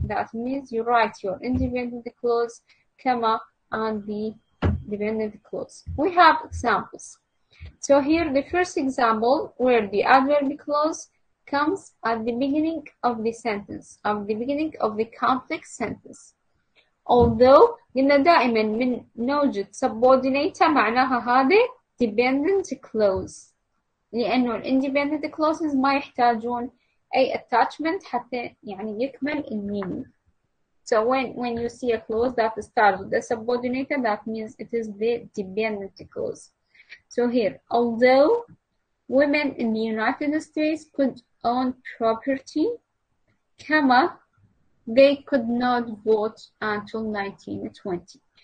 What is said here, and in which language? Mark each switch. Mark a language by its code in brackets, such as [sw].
[en] That means you write your independent clause, comma, and the dependent clause. We have examples. So here the first example where the adverb clause comes at the beginning of the sentence, at the beginning of the complex sentence. [ar] Although, قلنا دائما من نوجد subordinator معناها هذه dependent clause، لأنه independent clauses ما يحتاجون أي attachment حتى يعني يكمل meaning. [en] So when you see a clause that starts with a subordinator, that means it is the dependent clause. So here, although women in the United States could own property, comma, they could not vote until 1920.